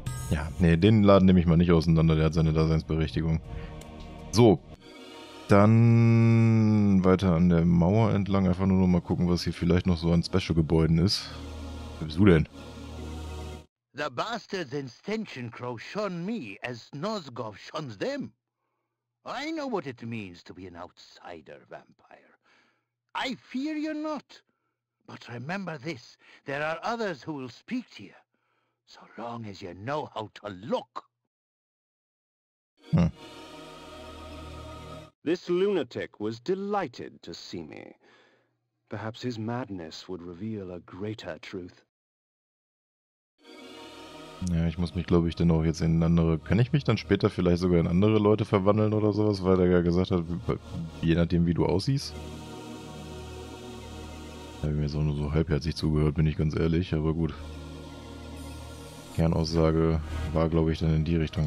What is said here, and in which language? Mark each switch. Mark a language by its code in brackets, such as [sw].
[de] Ja, nee, den Laden nehme ich mal nicht auseinander, der hat seine Daseinsberechtigung. So, dann weiter an der Mauer entlang. Einfach nur noch mal gucken, was hier vielleicht noch so an Special-Gebäuden ist. Wer bist du denn? [en] The bastards in Stenchen Crow shun me as Nosgoth shuns them. I know what it means to be an outsider vampire. I fear you not. But remember this, there are others who will speak to you, so long as you know how to look. This lunatic was delighted to see me. Perhaps his madness would reveal a greater truth. [de] Ja, ich muss mich, glaube ich, dann auch jetzt in andere... Kann ich mich dann später vielleicht sogar in andere Leute verwandeln oder sowas, weil er ja gesagt hat, je nachdem, wie du aussiehst? Da habe ich mir so nur so halbherzig zugehört, bin ich ganz ehrlich, aber gut. Kernaussage war, glaube ich, dann in die Richtung.